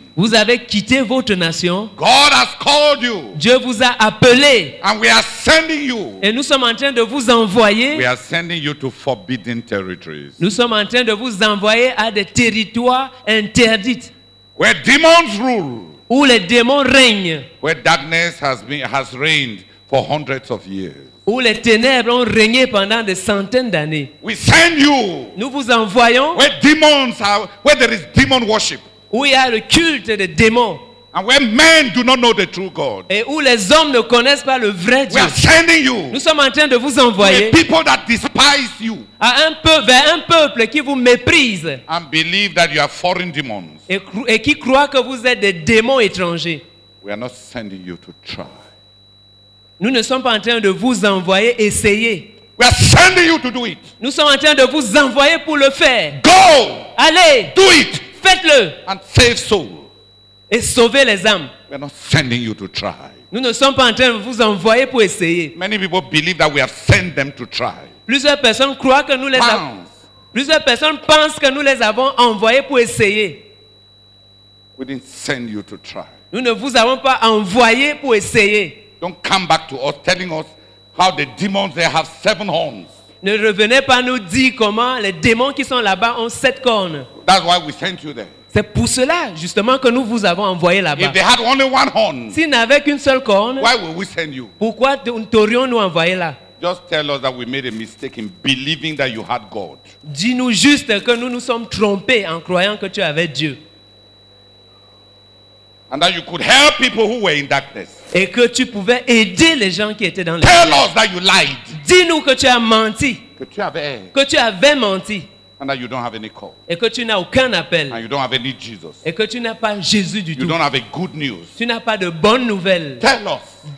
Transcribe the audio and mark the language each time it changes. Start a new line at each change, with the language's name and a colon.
French: Vous avez quitté votre nation.
English: God has called you.
French: Dieu vous a appelé.
English: And we are sending you.
French: Et nous sommes en train de vous envoyer.
English: We are sending you to forbidden territories.
French: Nous sommes en train de vous envoyer à des territoires interdits.
English: Where demons rule.
French: Où les démons règnent.
English: Where darkness has reigned for hundreds of years.
French: Où les ténèbres ont régné pendant des centaines d'années.
English: We send you.
French: Nous vous envoyons.
English: Where demons are, where there is demon worship.
French: Où il y a le culte des démons.
English: And where men do not know the true God.
French: Et où les hommes ne connaissent pas le vrai Dieu.
English: We are sending you.
French: Nous sommes en train de vous envoyer.
English: To a people that despise you.
French: À un peuple, vers un peuple qui vous méprise.
English: And believe that you are foreign demons.
French: Et qui croit que vous êtes des démons étrangers.
English: We are not sending you to try.
French: Nous ne sommes pas en train de vous envoyer essayer.
English: We are sending you to do it.
French: Nous sommes en train de vous envoyer pour le faire.
English: Go.
French: Allez.
English: Do it.
French: Faites-le.
English: And save souls.
French: Et sauvez les âmes.
English: We are not sending you to try.
French: Nous ne sommes pas en train de vous envoyer pour essayer.
English: Many people believe that we have sent them to try.
French: Plusieurs personnes croient que nous les avons. Plusieurs personnes pensent que nous les avons envoyés pour essayer.
English: We didn't send you to try.
French: Nous ne vous avons pas envoyé pour essayer.
English: Don't come back to us telling us how the demons there have seven horns.
French: Ne revenez pas nous dire comment les démons qui sont là-bas ont sept cornes.
English: That's why we sent you there.
French: C'est pour cela justement que nous vous avons envoyé là-bas.
English: If they had only one horn,
French: s'ils n'avaient qu'une seule corne,
English: why would we send you?
French: Pourquoi t'aurions-nous envoyé là?
English: Just tell us that we made a mistake in believing that you had God.
French: Dis-nous juste que nous nous sommes trompés en croyant que tu avais Dieu.
English: And that you could help people who were in darkness.
French: Et que tu pouvais aider les gens qui étaient dans l'ombre.
English: Tell us that you lied.
French: Dis-nous que tu as menti. Que tu avais menti.
English: And that you don't have any call.
French: Et que tu n'as aucun appel.
English: And you don't have any Jesus.
French: Et que tu n'as pas Jésus du you tout.
English: You don't have a good news.
French: Tu n'as pas de bonnes nouvelles.
English: Tell us.